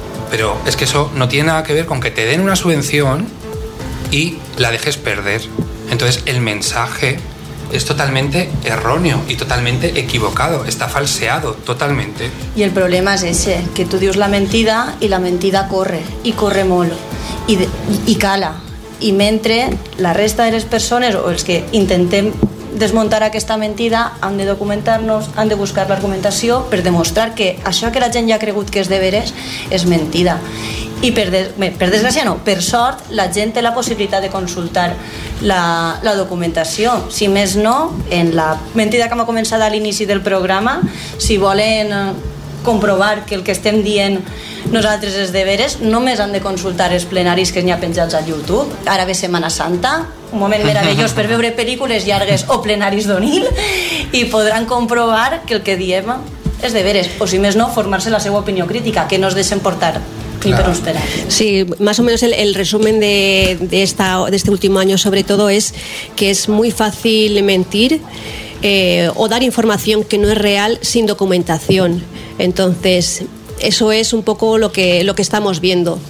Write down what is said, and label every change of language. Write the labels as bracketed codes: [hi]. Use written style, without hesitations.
[es] Pero es que eso no tiene nada que ver con que te den una subvención y la dejes perder. Entonces el mensaje es totalmente erróneo y totalmente equivocado, está falseado totalmente. Y el problema es ese, [ca] que tú dios la mentida, y la mentida corre, y corre molo, y cala. Y mentre la resta de les persones, o els que intentem desmuntar aquesta mentida, han de documentar-nos, han de buscar l'argumentació per demostrar que això que la gent ja ha cregut que és de veres és mentida. I per desgràcia no, per sort, la gent té la possibilitat de consultar la documentació. Si més no, en la mentida que hem començat a l'inici del programa, si volen comprovar que el que estem dient nosaltres és de veres, només han de consultar els plenaris que n'hi ha penjats a YouTube. Ara ve Setmana Santa, un moment meravellós per veure pel·lícules llargues o plenaris d'O'Neill, i podran comprovar que el que diem és de veres, o si més no, formar-se la seva opinió crítica, que no es deixen portar. [es] Claro. Sí, más o menos el resumen de este último año, sobre todo, es que es muy fácil mentir o dar información que no es real sin documentación. Entonces, eso es un poco lo que estamos viendo.